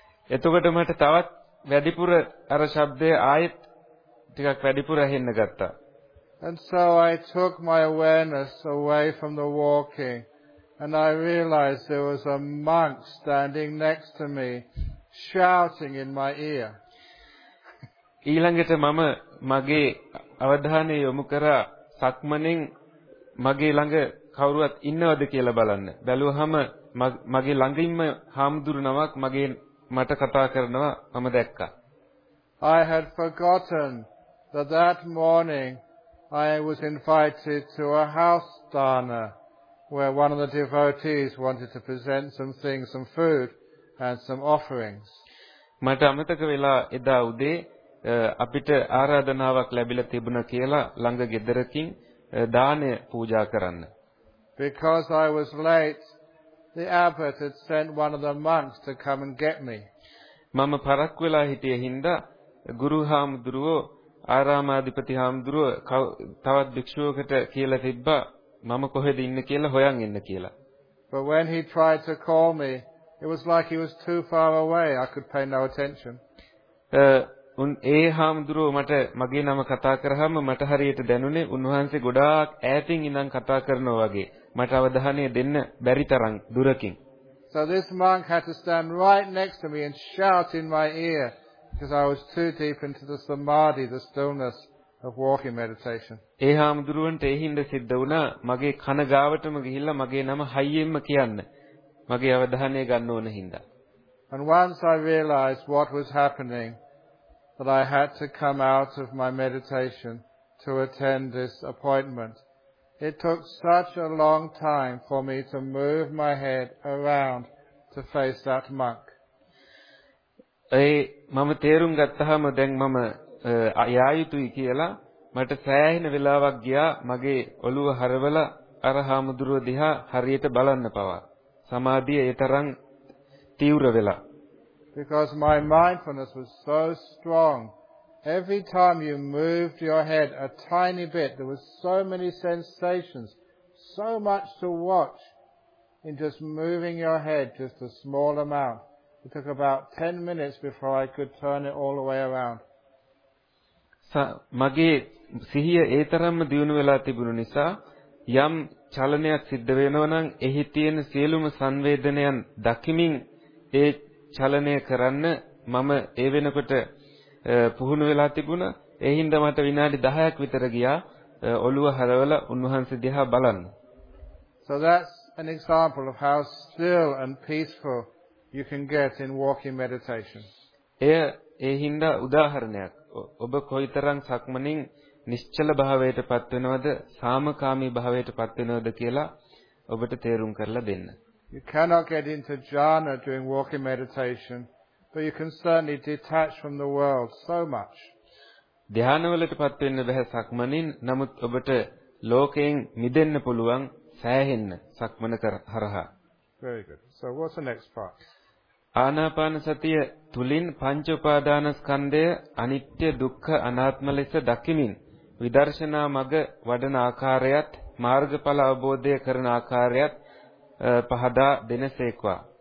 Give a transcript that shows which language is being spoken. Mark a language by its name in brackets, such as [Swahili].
[Sinhala] එතකොට මට තවත් වැඩිපුර අර ශබ්දය ආයෙත් ටිකක් වැඩිපුර ඇහෙන්න ගත්තා. [English] And so I took my awareness away from the walking And I realized there was a monk standing next to me, shouting in my ear. [Sinhala] ඊළඟට මම මගේ අවධානය යොමු කරා සක්මණෙන් මගේ ළඟ කවුරුවත් ඉන්නවද කියලා බලන්න. බැලුවහම මගේ ළඟින්ම හාමුදුරනමක් මගේ මට කතා කරනවා මම දැක්කා. [English] I had forgotten that that morning I was invited to a house dana where one of the devotees wanted to present some things, some food and some offerings. [Sinhala] මට අමතක වෙලා එදා උදේ අපිට ආරාධනාවක් ලැබිලා තිබුණා කියලා ළඟ ගෙදරකින් දානය පූජා කරන්න. [English] Because I was late, the abbot had sent one of the monks to come and get me. [Sinhala] මම පරක්කු වෙලා හිටියේ හින්දා ගුරු හාමුදුරුවෝ ආරාමාධිපති හාමුදුරුවෝ තවත් භික්ෂුවකට කියලා තිබ්බා මම කොහෙද ඉන්න කියලා හොයන් ඉන්න කියලා. [English] But when he tried to call me, it was like he was too far away. I could pay no attention. [Sinhala] උන් ඒ හාමුදුරුවෝ මට මගේ නම කතා කරාම මට හරියට දැනුනේ උන්වහන්සේ ගොඩාක් ඈතින් ඉඳන් කතා කරනවා වගේ. මට අවධානය දෙන්න බැරි තරම් දුරකින්. [English] So this monk had to stand right next to me and shout in my ear because I was too deep into the samadhi, the stillness of walking meditation. [Sinhala] ඒ හාමුදුරුවන්ට ඒ හින්ද සිද්ධ වුණා මගේ කන ගාවටම ගිහිල්ලා මගේ නම හයියෙන්ම කියන්න. මගේ අවධානය ගන්න ඕන හින්දා. [English] And once I realized what was happening, that I had to come out of my meditation to attend this appointment. It took such a long time for me to move my head around to face that monk. [Sinhala] ඒ මම තේරුම් ගත්තාම දැන් මම යා යුතුයි කියලා මට සෑහෙන වෙලාවක් ගියා මගේ ඔළුව හරවලා අර හාමුදුරුව දිහා හරියට බලන්න පවා සමාධිය ඒ තරම් තීව්‍ර වෙලා. [English] Because my mindfulness was so strong. Every time you moved your head a tiny bit, there were so many sensations, so much to watch in just moving your head just a small amount. It took about 10 minutes before I could turn it all the way around. [Sinhala] මගේ සිහිය ඒ තරම්ම දියුණු වෙලා තිබුණු නිසා යම් චලනයක් සිද්ධ වෙනවා නම් එහි තියෙන සියලුම සංවේදනයන් දකිමින් ඒ චලනය කරන්න මම ඒ වෙනකොට පුහුණු වෙලා තිබුණා ඒ හින්දා මට විනාඩි 10ක් විතර ගියා ඔළුව හරවලා උන්වහන්සේ දිහා බලන්න. [English] So that's an example of how still and peaceful you can get in walking meditation. [Sinhala] ඒ හින්දා උදාහරණයක් ඔබ කොයිතරම් සක්මණින් නිශ්චල භාවයට පත් වෙනවද සාමකාමී භාවයට පත් වෙනවද කියලා ඔබට තේරුම් කරලා දෙන්න. [English] You cannot get into jhana during walking meditation, but you can certainly detach from the world so much. [Sinhala] ධ්‍යානවලට පත් වෙන්න බැහැ සක්මණින්, නමුත් ඔබට ලෝකයෙන් මිදෙන්න පුළුවන් සෑහෙන්න සක්මණ කරහා. [English] Very good. So what's the next part? [Sinhala] ආනාපාන සතිය තුලින් පංච උපාදාන ස්කන්ධය අනිත්‍ය දුක්ඛ අනාත්ම ලෙස දකිමින් විදර්ශනා මග වඩන ආකාරයත් මාර්ගඵල අවබෝධය කරන ආකාරයත් පහදා දෙනසේක්වා.